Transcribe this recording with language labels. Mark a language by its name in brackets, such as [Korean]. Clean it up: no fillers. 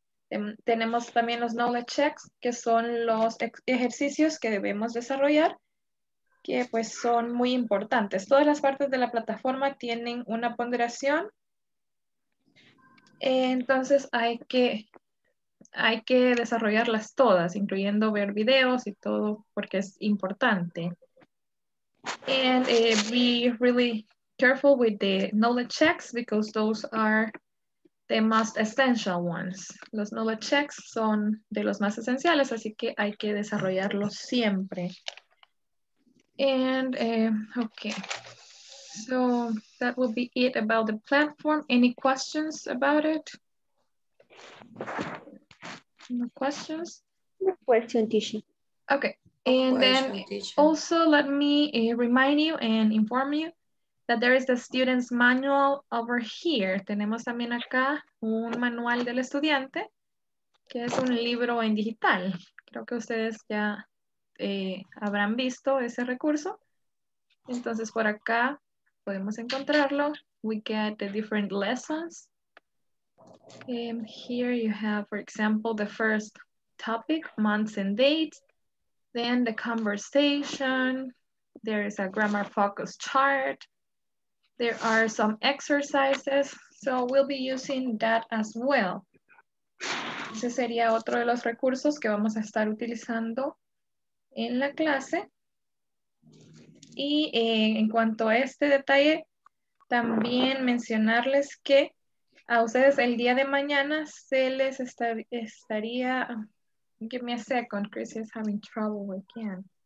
[Spanish] Tenemos también los knowledge checks, que son los ejercicios que debemos desarrollar, que pues son muy importantes. Todas las partes de la plataforma tienen una ponderación. Entonces hay que desarrollarlas todas, incluyendo ver videos y todo, porque es importante. [English] And be really careful with the knowledge checks, because those are the most essential ones. [Spanish] Los knowledge checks son de los más esenciales, así que hay que desarrollarlos siempre. [English] And okay, so that will be it about the platform. Any questions about it? No questions? No question, Tisha. Okay, and then also let me remind you and inform you that there is the student's manual over here. [Spanish] Tenemos también acá un manual del estudiante, que es un libro en digital. Creo que ustedes ya habrán visto ese recurso. Entonces por acá podemos encontrarlo. [English] We get the different lessons. Here you have, for example, the first topic, months and dates, then the conversation, there is a grammar focus chart, there are some exercises, so we'll be using that as well. [Spanish] Ese sería otro de los recursos que vamos a estar utilizando en la clase. Y en cuanto a este detalle, también mencionarles que a ustedes el día de mañana se les estaría, [English] give me a second, Chris is having trouble again.